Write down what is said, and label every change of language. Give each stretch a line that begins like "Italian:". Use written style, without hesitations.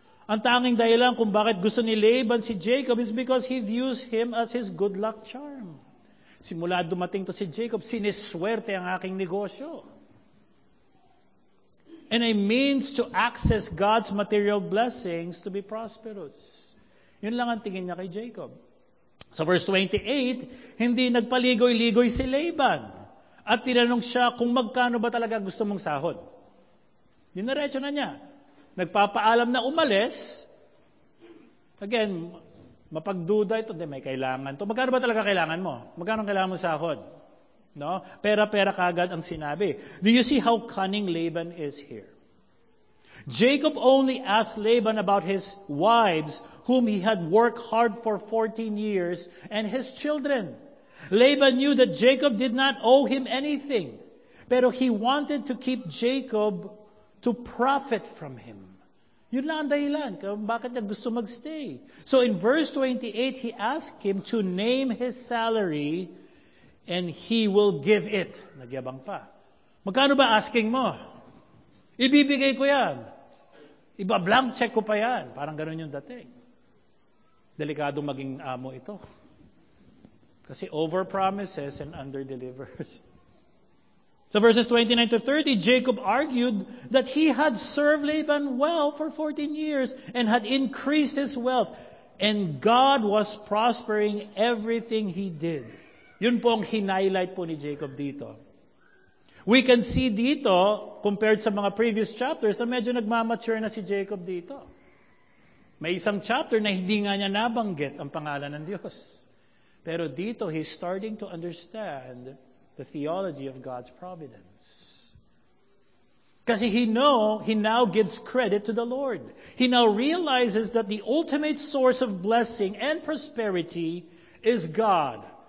Filipino: Ang tanging dahilan kung bakit gusto ni Laban si Jacob
English: is because he views him as his good luck charm.
Filipino: Simula dumating to si Jacob, siniswerte ang aking negosyo.
English: And a means to access God's material blessings to be prosperous.
Filipino: Yun lang ang tingin niya kay Jacob.
English: So verse 28,
Filipino: hindi nagpaligoy-ligoy si Laban. At tinanong siya kung magkano ba talaga gusto mong sahod. Dinaretso na niya. Nagpapaalam na umalis. Again, mapagduda ito. Hindi, may kailangan ito. Magkano ba talaga kailangan mo? Magkano kailangan mo sahod? No? Pera-pera kagad ang sinabi.
English: Do you see how cunning Laban is here? Jacob only asked Laban about his wives whom he had worked hard for 14 years and his children. Laban knew that Jacob did not owe him anything, pero he wanted to keep Jacob to profit from him.
Filipino: Yun lang ang dahilan kung bakit niya gusto magstay.
English: So in verse 28, he asked him to name his salary and he will give it.
Filipino: Nagyabang pa. Magkano ba asking mo? Ibibigay ko yan. Iba, blank check ko pa yan. Parang ganun yung dating. Delikadong maging amo ito. Kasi
English: over promises and under delivers. So verses 29 to 30, Jacob argued that he had served Laban well for 14 years and had increased his wealth. And God was prospering everything he did.
Filipino: Yun po ang hinighlight po ni Jacob dito.
English: We can see
Filipino: dito, compared sa mga
English: previous chapters,
Filipino: na medyo nagmamature na si Jacob dito. May isang chapter na hindi nga niya nabanggit ang pangalan ng Diyos. Pero dito,
English: he's starting to understand the theology of God's providence. Kasi he now gives credit to the Lord. He now realizes that the ultimate source of blessing and prosperity is God.